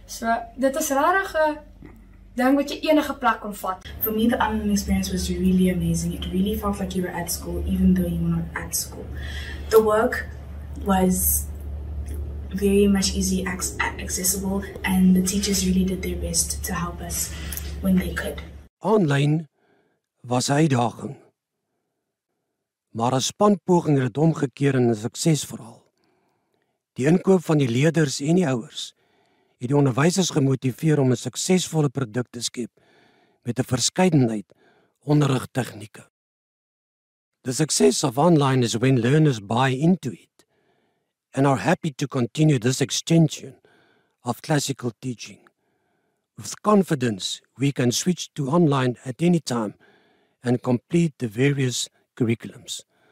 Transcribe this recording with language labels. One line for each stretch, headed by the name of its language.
Afrikaans: So, dit is rarig, ding wat jy enige plek kon vat.
English: For me, the online experience was really amazing. It really felt like you were at school, even though you were not at school. The work was very much easy accessible, and the teachers really did their best to help us when they could.
Afrikaans: Online was 'n uitdaging. Maar 'n spanpoging het omgekeer in 'n suksesverhaal. Die inkoop van die leerders en die ouers het die onderwysers gemotiveer om 'n suksesvolle produk te skep met 'n verskeidenheid onderrigtegnieke.
English: The success of online is when learners buy into it and are happy to continue this extension of classical teaching. With confidence, we can switch to online at any time and complete the various curriculums.